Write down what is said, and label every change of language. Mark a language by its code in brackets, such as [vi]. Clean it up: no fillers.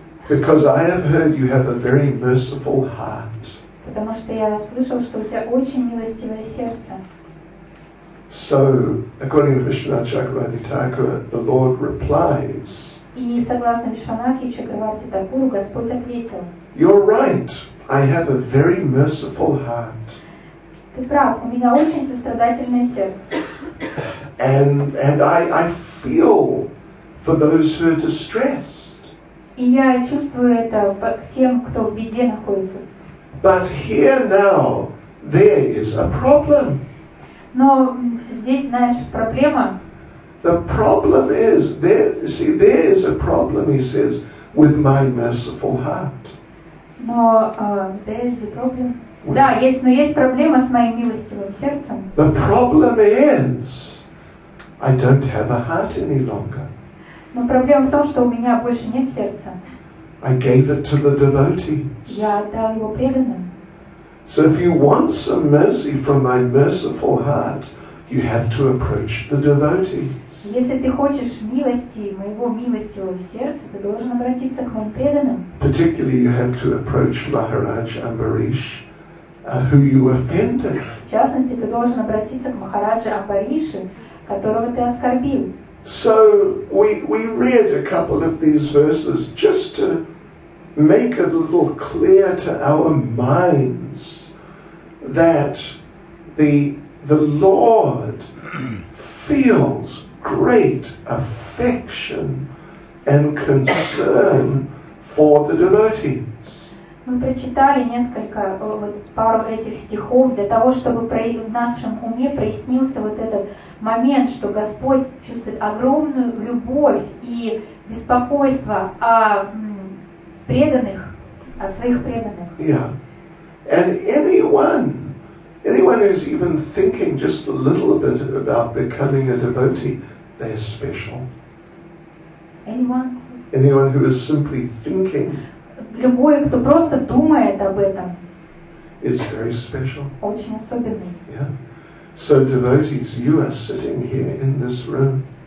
[en] Because I have heard you have a very merciful heart. [ru] Потому что я слышал, что у тебя очень милостивое сердце. [en] So, according to Vishwanatha Chakravarti Thakura, the Lord replies. [ru] И согласно Вишванатхе Чакраварти Такуру, Господь ответил. [en] You're right. I have a very merciful heart. [ru] Ты прав. У меня очень сострадательное сердце. [en] And I feel for those who are distressed. [ru] И я чувствую это к тем, кто в беде находится. [en] But here now there is a problem. [ru] Но здесь, знаешь, проблема. [en] The problem is there. See, there is a problem, he says, with my merciful heart. Но there is a problem. [ru] Да, есть, но есть проблема с моим милостивым сердцем. [en] The problem is I don't have a heart any longer. [ru] Но проблема в том, что у меня больше нет сердца. [en] I gave it to the devotees. [ru] Я отдал его преданным. [en] So if you want some mercy from my merciful heart, you have to approach the devotees. [ru] Если ты хочешь милости, моего милостивого сердца, ты должен обратиться к моим преданным. [en] Particularly you have to approach Maharaj Ambarish, who you offended. [ru] В частности, ты должен обратиться к Махараджа Амбариши, которого ты оскорбил. [en] So we read a couple of these verses just to make it a little clear to our minds that the Lord feels great affection and concern for the devotees. [ru] Мы прочитали несколько вот пару этих стихов для того, чтобы в нашем уме прояснился вот этот момент, что Господь чувствует огромную любовь и беспокойство о преданных, о своих преданных. [en] Yeah. And anyone who's even thinking just a little bit about becoming a devotee, they're special. Anyone who is simply thinking. [ru] Любой, кто просто думает об этом. [en] Is very special. [ru] Очень особенный. [en] Yeah. So devotees, you are sitting here in this room.